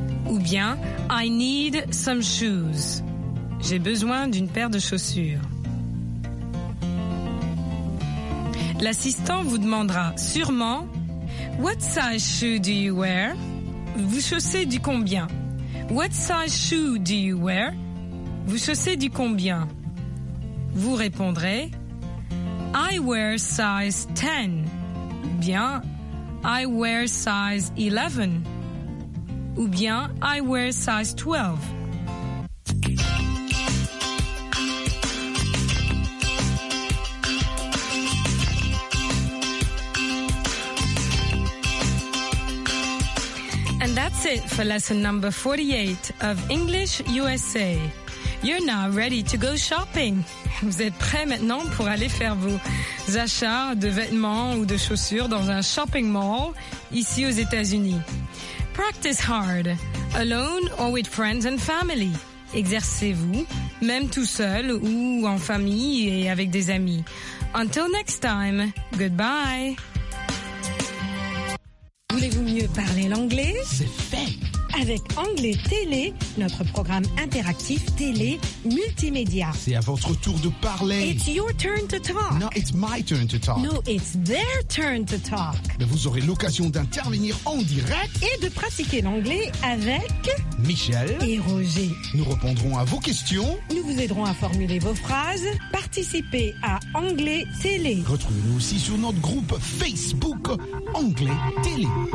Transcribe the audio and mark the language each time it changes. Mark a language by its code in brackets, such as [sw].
[fr] Ou bien [en] I need some shoes. [fr] J'ai besoin d'une paire de chaussures. L'assistant vous demandera sûrement [en] What size shoe do you wear? [fr] Vous chaussez du combien? [en] What size shoe do you wear? [fr] Vous chaussez du combien? Vous répondrez [en] I wear size 10. [fr] Bien, [en] I wear size 11. [fr] Ou bien, [en] I wear size 12. that's it for lesson number 48 of English USA. You're now ready to go shopping. [fr] Vous êtes prêts maintenant pour aller faire vos achats de vêtements ou de chaussures dans un shopping mall ici aux États-Unis. [en] Practice hard, alone or with friends and family. [fr] Exercez-vous, même tout seul ou en famille et avec des amis. [en] Until next time, goodbye. [fr] Voulez-vous mieux parler l'anglais? C'est fait! Avec Anglais Télé, notre programme interactif télé multimédia. C'est à votre tour de parler. [en] It's your turn to talk. No, it's my turn to talk. No, it's their turn to talk. [fr] Mais vous aurez l'occasion d'intervenir en direct et de pratiquer l'anglais avec Michel et Roger. Nous répondrons à vos questions. Nous vous aiderons à formuler vos phrases. Participez à Anglais Télé. Retrouvez-nous aussi sur notre groupe Facebook Anglais Télé.